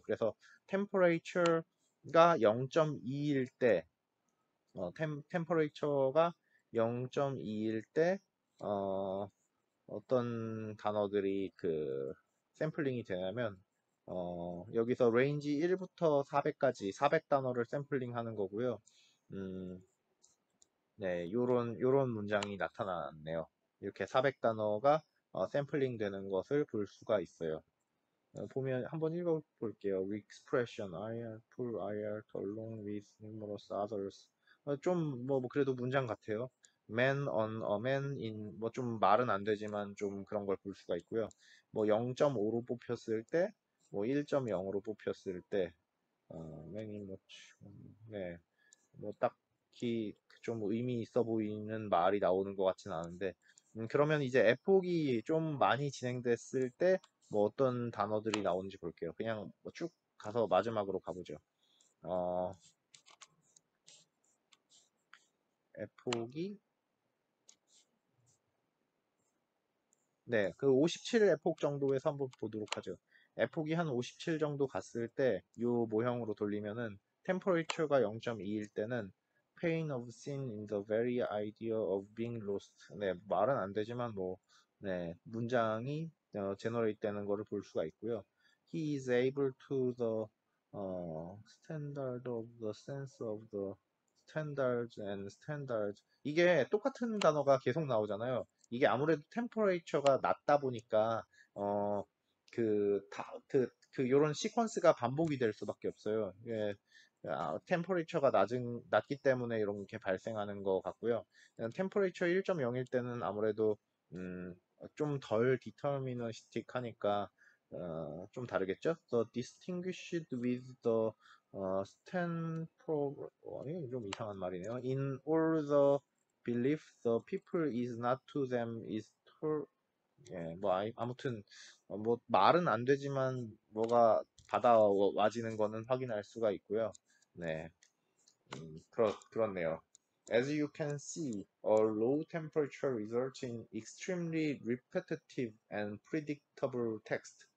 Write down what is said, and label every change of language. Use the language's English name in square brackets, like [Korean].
[Korean] 그래서 temperature가 0.2일 때, temperature가 0.2일 때 어떤 단어들이 그 샘플링이 되냐면 여기서 range 1부터 400까지 400단어를 샘플링하는 거고요. 네, 요런 문장이 나타났네요. 이렇게 400단어가 샘플링 되는 것을 볼 수가 있어요. 보면 한번 읽어볼게요. [English] expression, iart, pool, iart, along with numerous others. [Korean] 좀, 뭐, 그래도 문장 같아요. [English] man on a man in, [Korean] 뭐, 좀 말은 안 되지만 좀 그런 걸볼 수가 있고요. 뭐, 0.5로 뽑혔을 때, 뭐, 1.0으로 뽑혔을 때, [English] man in much, [Korean] 네, 뭐, 딱, 좀 의미 있어 보이는 말이 나오는 것 같진 않은데, 그러면 이제 epoch이 좀 많이 진행됐을 때뭐 어떤 단어들이 나오는지 볼게요. 그냥 뭐쭉 가서 마지막으로 가보죠. epoch이 네, 그57 epoch 정도에서 한번 보도록 하죠. epoch이 한57 정도 갔을 때요 모형으로 돌리면은 temperature가 0.2일 때는 [English] pain of sin in the very idea of being lost. [Korean] 네, 말은 안 되지만 뭐, 네, 문장이 제너레이트 되는 거를 볼 수가 있고요. [English] He is able to the standard of the sense of the standards and standards. [Korean] 이게 똑같은 단어가 계속 나오잖아요. 이게 아무래도 템퍼레이처가 낮다 보니까 요런 시퀀스가 반복이 될 수밖에 없어요. 예. 템퍼레이처가 낮기 때문에 이렇게 발생하는 것 같고요. 템퍼레이처 1.0일 때는 아무래도 좀덜 디터미니스틱 하니까 좀 다르겠죠? [English] The distinguished with the stand for [Korean] 아니 좀 이상한 말이네요. [English] In all the belief the people is not to them is tall. [Korean] 예, 뭐 아무튼 뭐 말은 안 되지만 뭐가 받아와지는 거는 확인할 수가 있고요. 네, 그렇네요. [English] As you can see, a low temperature results in extremely repetitive and predictable text.